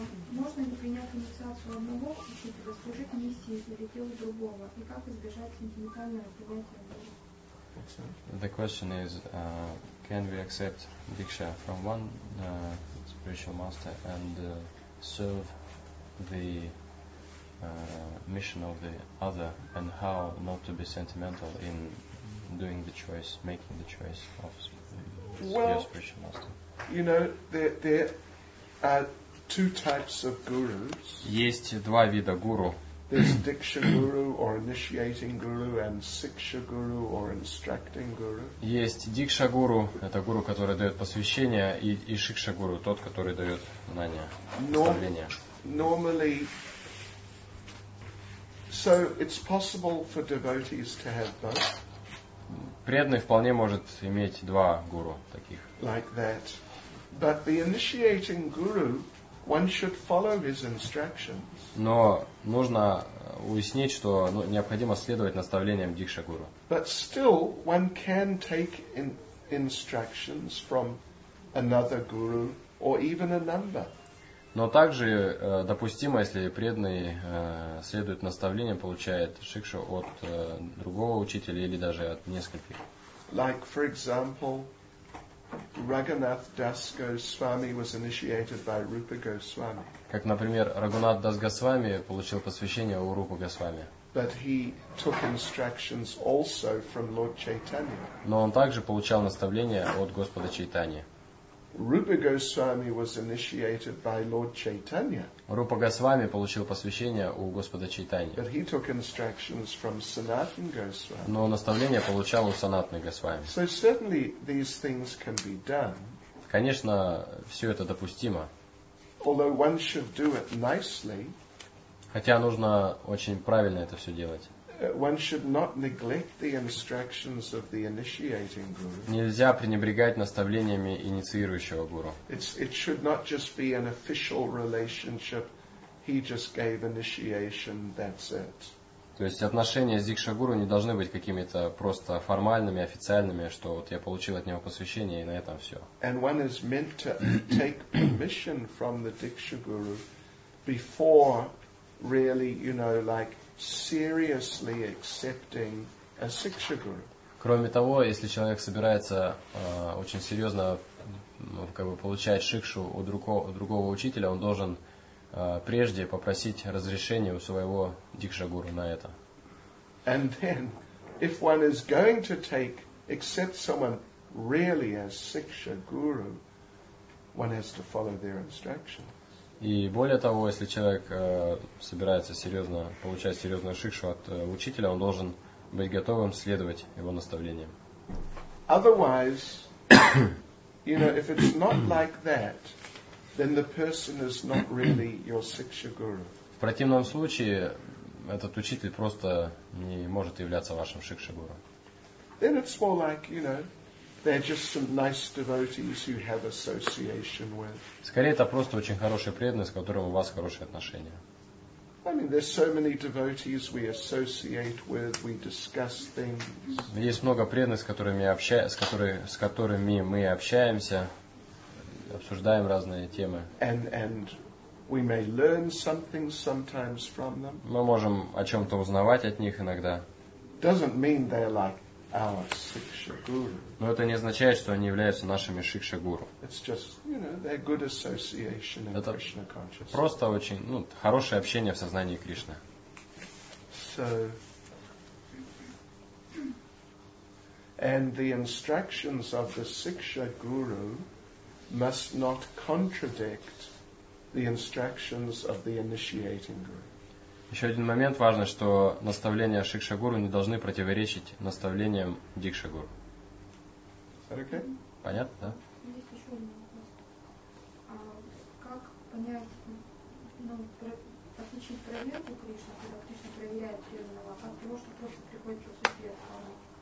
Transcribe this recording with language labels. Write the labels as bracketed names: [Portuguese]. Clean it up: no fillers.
[Russian] Можно ли принять инициацию одного учителя, служить миссии или делу другого? И как избежать сентиментального принятия одного? [English] The question is, can we accept Diksha from one spiritual master and serve the mission of the other, and how not to be sentimental in doing the choice, making the choice of your spiritual master? You know, there are two types of gurus. [Russian] Есть два вида гуру. [English] There's Diksha Guru or Initiating Guru and Siksha Guru or Instructing Guru. [Russian] Есть Дикша Гуру, это гуру, который дает посвящение, и Шикша Гуру, тот, который дает знания, наставления. [English] Normally, so it's possible for devotees to have both. [Russian] Преданный вполне может иметь два гуру таких. [English] Like that. But the Initiating Guru, one should follow his instructions. [Russian] Но нужно уяснить, что необходимо следовать наставлениям Дикша Гуру. [English] But still, one can take instructions from another guru or even a number. [Russian] Но также допустимо, если преданный следует наставлениям, получает шикшу от другого учителя или даже от нескольких. [English] Like, for example, Raghunath Das Goswami was initiated by Rupa Goswami. [Russian] Как, например, Рагунат Дас Госвами получил посвящение у Рупы Госвами. [English] But he took instructions also from Lord Chaitanya. [Russian] Но он также получал наставления от Господа Чайтаньи. [English] Rupa Goswami was initiated by Lord Chaitanya. [Russian] Рупа Госвами получил посвящение у Господа Чайтаньи. [English] But he took instructions from Sanatana Goswami. [Russian] Но наставления получал у Санатаны Госвами. [English] So certainly these things can be done. [Russian] Конечно, все это допустимо. [English] Although one should do it nicely. [Russian] Хотя нужно очень правильно это все делать. [English] One should not neglect the instructions of the initiating guru. [Russian] Нельзя пренебрегать наставлениями инициирующего гуру. [English] It should not just be an official relationship. He just gave initiation, that's it. [Russian] То есть отношения с дикша гуру не должны быть какими-то просто формальными, официальными, что вот я получил от него посвящение и на этом все. [English] And one is meant to take permission from the diksha guru before really, you know, like seriously accepting a siksha guru. [Russian] Кроме того, если человек собирается очень серьезно, ну, как бы получать шикшу у другого учителя, он должен прежде попросить разрешение у своего дикша гуру на это. [English] And then, if one is going to take accept someone really as siksha guru, one has to follow their instructions. [Russian] И более того, если человек собирается серьезно получать серьезную шикшу от учителя, он должен быть готовым следовать его наставлениям. [English] Otherwise, you know, if it's not like that, then the person is not really your siksha guru. [Russian] В противном случае этот учитель просто не может являться вашим шикша гуру. [English] Then it's more like, you know, They're just some nice devotees you have association with. [Russian] Скорее, это просто очень хорошие преданные, с которыми у вас хорошие отношения. [English] I mean, there's so many devotees we associate with, we discuss things. [Russian] Есть много преданных, с которыми мы общаемся, обсуждаем разные темы. [English] And we may learn something sometimes from them. [Russian] Мы можем о чем-то узнавать от них иногда. [English] Doesn't mean they're like our Shiksha Guru. [Russian] Но это не означает, что они являются нашими Шикша Гуру. [English] It's just, you know, they're good association in Krishna consciousness. [Russian] Просто очень, ну, хорошее общение в сознании Кришны. [English] So, and the instructions of the Shiksha Guru must not contradict the instructions of the initiating guru. [Russian] Еще один момент важный, что наставления Шикша Гуру не должны противоречить наставлениям Дикша Гуру. [English] Okay. [Russian] Понятно, да? Есть еще один вопрос. А как понять, ну, отличить проверку Кришны, когда Кришна проверяет преданного, от того, что просто приходит чувство преданного?